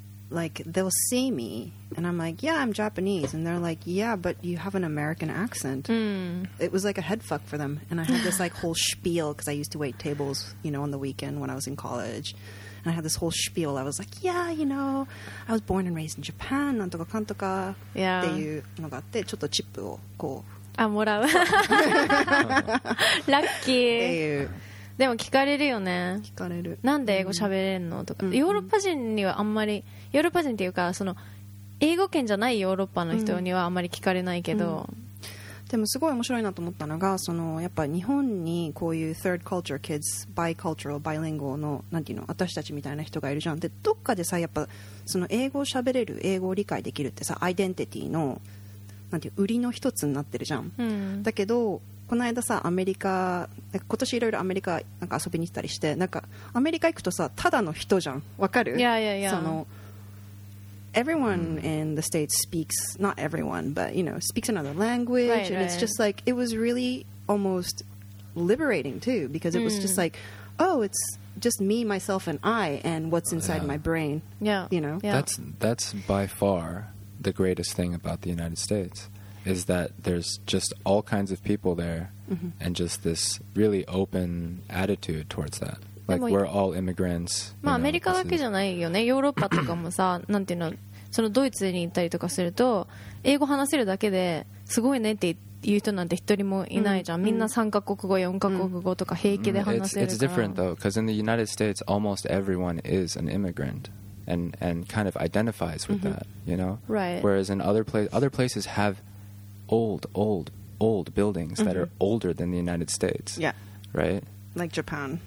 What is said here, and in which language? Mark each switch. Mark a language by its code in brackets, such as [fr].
[en] like they'll see me and I'm like, yeah, I'm Japanese, and they're like, yeah, but you have an American accent. Mm. It was like a head fuck for them, and I had this like whole spiel because I used to wait tables, you know, on the weekend when I was in college, and I had this whole spiel. I was like, yeah, you know, I was born and raised in Japan, [ja] なんとかかんとか、 [en] yeah. [ja] っていうのがあって、ちょっとチップをこう、あ、もらう、ラッキー、っていう。でも聞かれるよね。聞かれる。なんで英語喋れるのとか、うん、ヨーロッパ人にはあんまり、ヨーロッパ人っていうかその英語圏じゃないヨーロッパの人にはあんまり聞かれないけど、うんうん、でもすごい面白いなと思ったのが、そのやっぱ日本にこういう [en] third culture kids、 [ja] bicultural、 bilingual のなんていうの、私たちみたいな人がいるじゃん。でどっかでさ、やっぱその英語を喋れる、英語を理解できるってさ、アイデンティティのなんていう売りの一つになってるじゃん、うん、だけどこの間さ、アメリカ、なんか今年いろいろアメリカなんか遊びに行ったりして、なんかアメリカ行くとさ、ただの人じゃん、わかる？ [en] Yeah, yeah, yeah. その everyone、mm. in the States speaks, not everyone, but you know, speaks another language, right, and right. it's just like, it was really almost liberating too, because it was、mm. just like, oh, it's just me, myself, and I, and what's inside、yeah. my brain, yeah, you know? Yeah. That's by far the greatest thing about the United States. Is that there's just all kinds of people there、 mm-hmm. and just this really open attitude towards that. Like, we're all immigrants. [ja] まあ、アメリカだけじゃないよね。ヨーロッパとかもさ、なんていうの、そのドイツに行ったりとかすると、英語話せるだけですごいねって言う人なんて一人もいないじゃん。みんな3カ国語、4カ国語とか平気で話せるから。 [en] It's different though, because in the United States, almost everyone is an immigrant. And kind of identifies with、mm-hmm. that, you know? Right. Whereas in other places have old buildings、mm-hmm. that are older than the United States. Yeah. Right? Like Japan.